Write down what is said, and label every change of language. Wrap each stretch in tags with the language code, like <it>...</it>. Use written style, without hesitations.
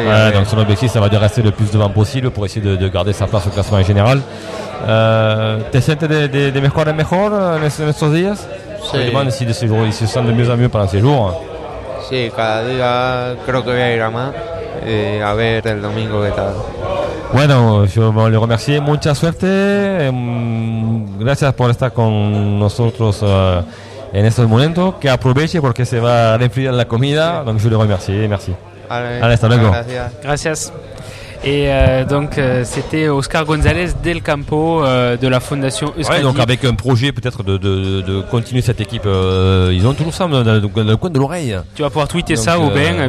<fr>Y ouais, donc son objectif, ça va de rester le plus devant possible pour essayer de garder sa place au classement en général.</fr> <es>¿Te sientes de mejor en mejor en estos días? Sí. Je</es> <fr>demande si se sent de mieux en mieux pendant ces jours.</fr> <es>Sí, cada día creo que voy a ir a más, a ver el domingo qué tal. Bueno, yo</es> <fr>le remercie,</fr> <es>mucha suerte, gracias por estar con nosotros en estos momentos, que aproveche porque se va a enfriar la comida, sí.</es> <fr>Donc je le remercie, merci. Allez,</fr> <es>hasta luego. Gracias.</es> <fr>Et donc c'était Oscar González del Campo de la Fondation Euskadi. Ouais, donc avec un projet peut-être de continuer cette équipe, ils ont toujours ça dans le coin de l'oreille. Tu vas pouvoir tweeter donc, ça au Ben, bien</fr>